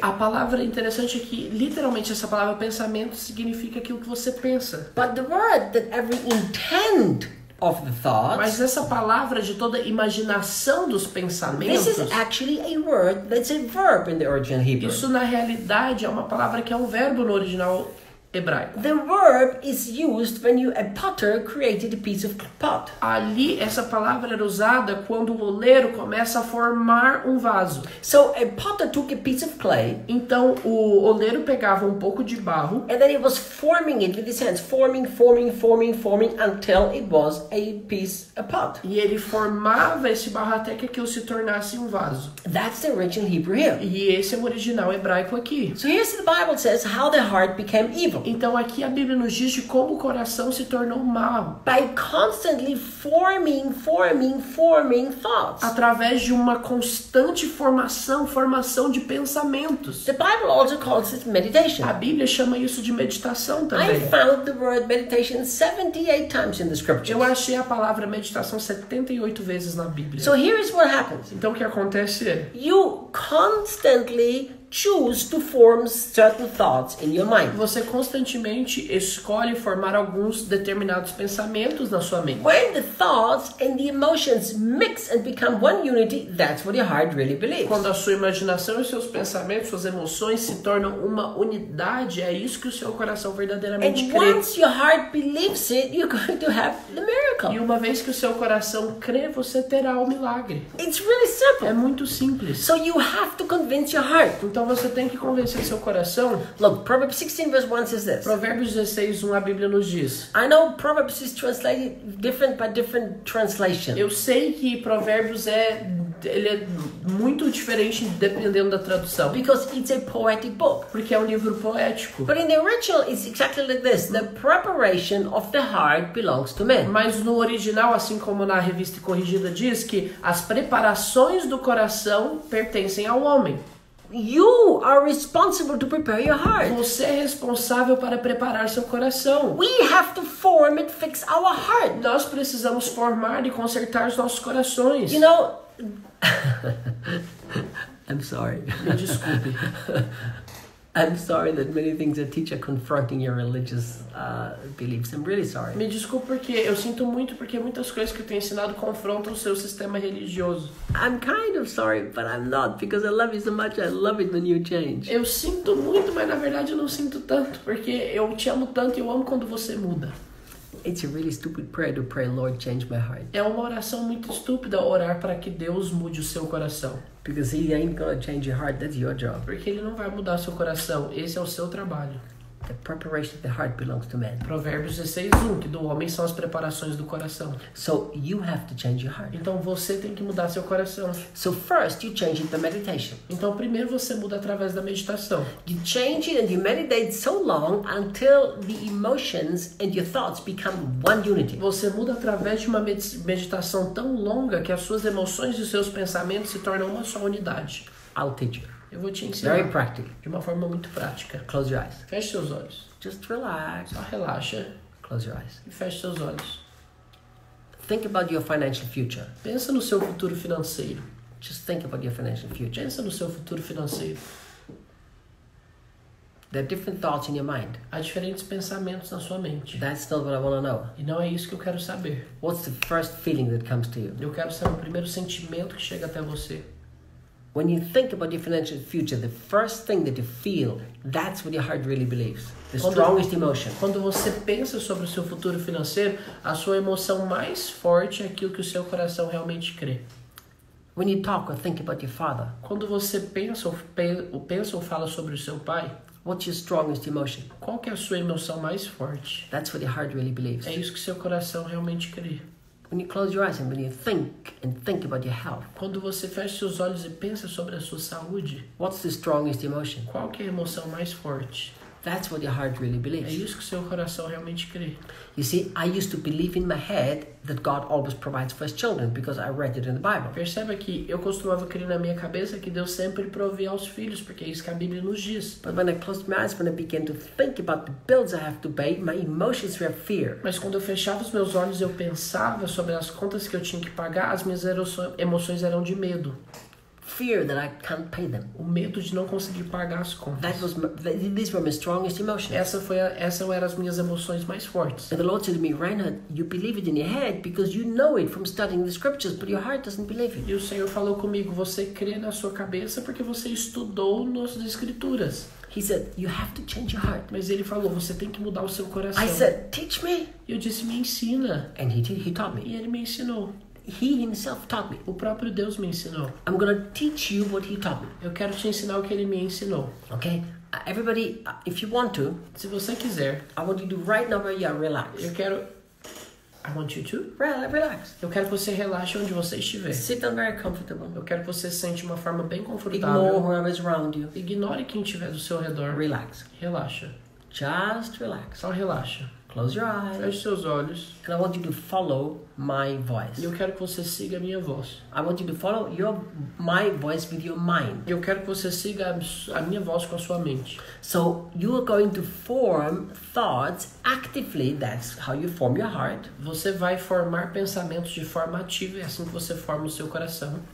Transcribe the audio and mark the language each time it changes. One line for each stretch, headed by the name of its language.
Portuguese: A palavra interessante é que literalmente essa palavra pensamento significa aquilo que você pensa.
English: But the word that every intent of the thoughts.
Portuguese: Mas essa palavra de toda imaginação dos pensamentos.
English: This is actually a word that's a verb in the original Hebrew.
Portuguese: Isso na realidade é uma palavra que é um verbo no original hebraico.
English: The verb is used when a potter created a piece of pot.
Portuguese: Ali, essa palavra era usada quando o oleiro começa a formar um vaso.
English: So a potter took a piece of clay.
Portuguese: Então o oleiro pegava um pouco de barro.
English: And then he was forming it with his hands, forming until it was a piece, a pot.
Portuguese: E ele formava esse barro até que aquilo se tornasse um vaso.
English: That's the original Hebrew.
Portuguese: E esse é o original hebraico aqui.
English: So here's the Bible says how the heart became evil.
Portuguese: Então aqui a Bíblia nos diz de como o coração se tornou mau.
English: By constantly forming thoughts.
Portuguese: Através de uma constante formação de pensamentos.
English: The Bible also calls it meditation.
Portuguese: A Bíblia chama isso de meditação também.
English: I found the word meditation 78 times in the scriptures.
Portuguese: Eu achei a palavra meditação 78 vezes na Bíblia.
English: So here is what happens.
Portuguese: Então o que acontece é...
English: You constantly choose to form certain thoughts in your mind.
Portuguese: Você constantemente escolhe formar alguns determinados pensamentos na sua mente.
English: When the thoughts and the emotions mix and become one unity, that's what your heart really believes.
Portuguese: Quando a sua imaginação e seus pensamentos, suas emoções se tornam uma unidade, é isso que o seu coração verdadeiramente
English: and
Portuguese: crê.
English: And once your heart believes it, you're going to have the miracle.
Portuguese: E uma vez que o seu coração crê, você terá o milagre.
English: It's really simple.
Portuguese: É muito simples.
English: So you have to convince your heart.
Portuguese: Então você tem que convencer seu coração.
English: Look, Proverbs 16 verse 1 says this.
Portuguese: Provérbios 16, 1, a Bíblia nos diz.
English: I know Proverbs is translated different by different translation.
Portuguese: Eu sei que Provérbios ele é muito diferente dependendo da tradução.
English: Because it's a poetic book.
Portuguese: Porque é um livro poético.
English: But in the original it's exactly like this. The preparation of the heart belongs to man.
Portuguese: Mas no original, assim como na revista corrigida diz, que as preparações do coração pertencem ao homem.
English: You are responsible to prepare your heart.
Portuguese: Você é responsável para preparar seu coração.
English: We have to form and fix our heart.
Portuguese: Nós precisamos formar e consertar os nossos corações.
English: You know, I'm sorry.
Portuguese: Me desculpe.
English: I'm sorry that many things I teach are confronting your religious beliefs. I'm really sorry.
Portuguese: Me desculpe porque eu sinto muito porque muitas coisas que eu tenho ensinado confrontam o seu sistema religioso.
English: I'm kind of sorry, but I'm not, because I love you so much. I love it when you change.
Portuguese: Eu sinto muito, mas na verdade eu não sinto tanto porque eu te amo tanto e eu amo quando você muda.
English: It's a really stupid prayer to pray, Lord, change my heart.
Portuguese: É uma oração muito estúpida orar para que Deus mude o seu coração.
English: Because he ain't gonna change your heart, that's your job.
Portuguese: Porque ele não vai mudar seu coração, esse é o seu trabalho.
English: The preparation of the heart belongs to man.
Portuguese: Provérbios 16:1, que do homem são as preparações do coração.
English: So you have to change your heart.
Portuguese: Então você tem que mudar seu coração.
English: So first you change it by meditation.
Portuguese: Então primeiro você muda através da meditação.
English: You change it and you meditate so long until the emotions and your thoughts become one unity.
Portuguese: Você muda através de uma meditação tão longa que as suas emoções e os seus pensamentos se tornam uma só unidade.
English: I'll teach you.
Portuguese: Eu vou te ensinar.
English: Very practical.
Portuguese: De uma forma muito prática.
English: Close your eyes.
Portuguese: Feche seus olhos.
English: Just relax.
Portuguese: Só relaxa.
English: Close your eyes.
Portuguese: E feche seus olhos.
English: Think about your financial future.
Portuguese: Pensa no seu futuro financeiro.
English: Just think about your financial future.
Portuguese: Pensa no seu futuro financeiro.
English: There are different thoughts in your mind.
Portuguese: Há diferentes pensamentos na sua mente.
English: That's not what I want to know.
Portuguese: E não é isso que eu quero saber.
English: What's the first feeling that comes to you?
Portuguese: Eu quero saber o primeiro sentimento que chega até você.
English: When you think about your financial future, the first thing that you feel, that's what your heart really believes. The strongest emotion.
Portuguese: Quando você pensa sobre o seu futuro financeiro, a sua emoção mais forte é aquilo que o seu coração realmente crê.
English: When you talk or think about your father.
Portuguese: Quando você pensa ou fala sobre o seu pai.
English: What's your strongest emotion?
Portuguese: Qual que é a sua emoção mais forte?
English: That's what your heart really believes.
Portuguese: É isso que seu coração realmente crê.
English: When you close your eyes and when you think about your health.
Portuguese: Quando você fecha seus olhos e pensa sobre a sua saúde.
English: What's the strongest emotion?
Portuguese: Qual que é a emoção mais forte?
English: That's what your heart really believes.
Portuguese: É isso que seu coração realmente crê.
English: You see, I used to believe in my head that God always provides for his children because I read it in the Bible.
Portuguese: Perceba que eu costumava crer na minha cabeça que Deus sempre provê aos filhos porque é isso que a Bíblia nos diz.
English: But when I closed my eyes, when I began to think about the bills I have to pay, my emotions were fear.
Portuguese: Mas quando eu fechava os meus olhos, eu pensava sobre as contas que eu tinha que pagar, as minhas emoções eram de medo.
English: fear that I can't pay them.
Portuguese: O medo de não conseguir pagar as contas.
English: These were my strongest emotions.
Portuguese: Essa eram as minhas emoções mais fortes.
English: And the Lord said to me, Reinhard, you believe it in your head because you know it from studying the scriptures, but your heart doesn't believe it.
Portuguese: E o Senhor falou comigo, você crê na sua cabeça porque você estudou nossas escrituras.
English: He said, you have to change your heart.
Portuguese: Mas ele falou, você tem que mudar o seu coração.
English: I said, teach me.
Portuguese: E eu disse, me ensina.
English: And he taught me.
Portuguese: E ele me ensinou.
English: He himself taught me.
Portuguese: O próprio Deus me ensinou.
English: I'm gonna teach you what he taught me.
Portuguese: Eu quero te ensinar o que ele me ensinou.
English: Okay? Everybody, if you want to,
Portuguese: se você quiser,
English: I want you to right now where you are, relax.
Portuguese: Eu quero.
English: I want you to relax.
Portuguese: Eu quero que você relaxe onde você estiver.
English: Sit down very comfortable.
Portuguese: Eu quero que você sente uma forma bem confortável.
English: Ignore whoever is around you.
Portuguese: Ignore quem estiver do seu redor.
English: Relax.
Portuguese: Relaxa.
English: Just relax.
Portuguese: Só relaxa.
English: Close your eyes.
Portuguese: Feche seus olhos.
English: And I want you to follow my voice.
Portuguese: Eu quero que você siga a minha voz.
English: I want you to follow my voice with your mind.
Portuguese: Eu quero que você siga a minha voz com a sua mente.
English: So you are going to form thoughts actively. That's how you form your heart.
Portuguese: Você vai formar pensamentos de forma ativa, é assim que você forma o seu coração.